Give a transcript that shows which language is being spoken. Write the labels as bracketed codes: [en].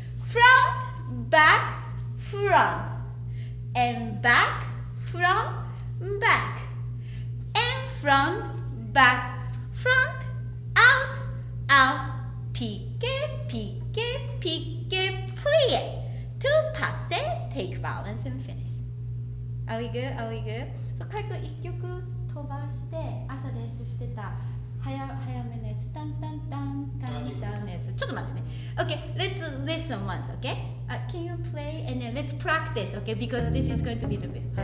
[en] Front, back,From and back, from back, and front, back, front, out, out, pique, pique, pique, plie. To passe, take balance and finish. Are we good? Are we good? [ja] カイ君一曲飛ばして朝練習してた早めのやつ、タンタンタンタンタンのやつ。ちょっと待ってね。 [en] Okay, let's listen once. Okay. Can you play and then let's practice, okay? Because this is going to be the bit.